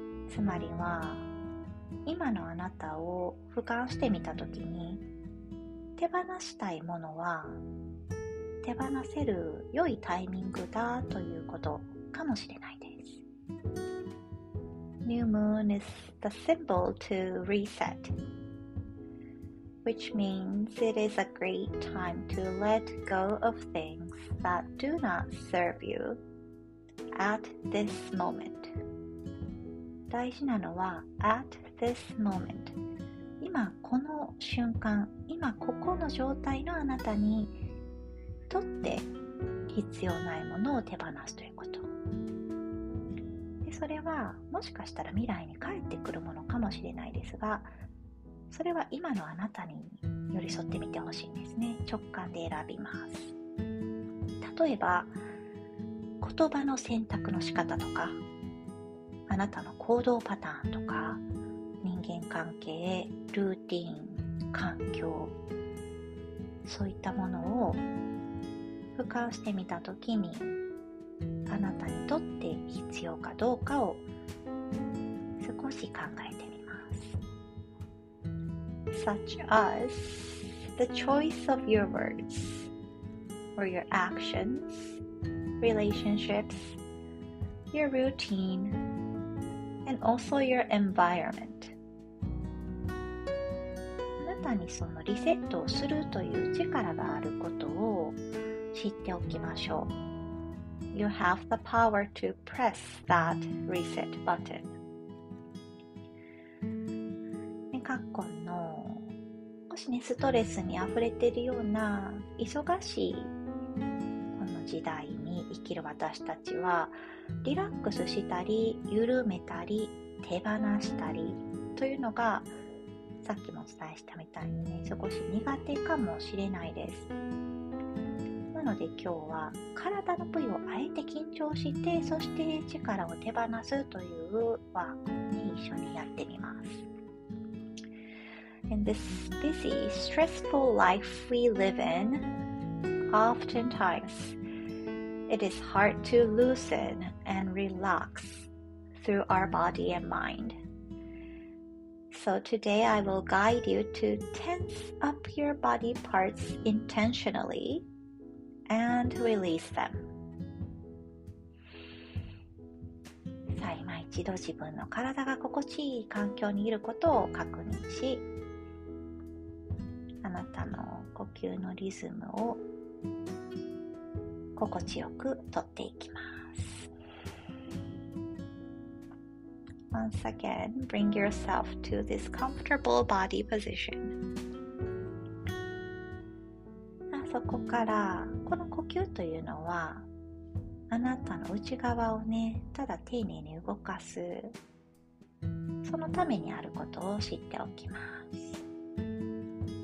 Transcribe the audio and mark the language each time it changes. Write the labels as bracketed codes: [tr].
[ja] つまりは、今のあなたを俯瞰してみたときに、手放したいものは手放せる良いタイミングだということかもしれないです。 [en] New moon is the symbol to reset, which means it is a great time to let go of things that do not serve you at this moment. [ja] 大事なのは [en] at this moment。 [ja] 今この瞬間、今ここの状態のあなたにとって必要ないものを手放すということ。で、それはもしかしたら未来に返ってくるものかもしれないですが、それは今のあなたに寄り添ってみてほしいんですね。直感で選びます。例えば、言葉の選択の仕方とか、あなたの行動パターンとか、人間関係、ルーティーン、環境、そういったものを俯瞰してみたときに、あなたにとって必要かどうかを少し考えてみます。 [en] Such as the choice of your words or your actions, relationships, your routine, and also your environment. [ja] さらにそのリセットをするという力があることを知っておきましょう。 [en] You have the power to press that reset button. [ja] ね、カッコンの、もしね、ストレスにあふれているような忙しいこの時代に生きる私たちは、リラックスしたり、緩めたり、手放したりというのが、さっきもお伝えしたみたいにね、少し苦手かもしれないです。なので今日は体の部位をあえて緊張して、そして力を手放すというワークに一緒にやってみます。 [en] In this busy, stressful life we live in, oftentimes it is hard to loosen and relax through our body and mindSo today I will guide you to tense up your body parts intentionally and release them. [ja] さあ、今一度自分の体が心地いい環境にいることを確認し、あなたの呼吸のリズムを心地よくとっていきます。 [en] Once again, bring yourself to this comfortable body position. [ja] そこから、この呼吸というのは、あなたの内側をね、ただ丁寧に動かす、そのためにあることを知っておきます。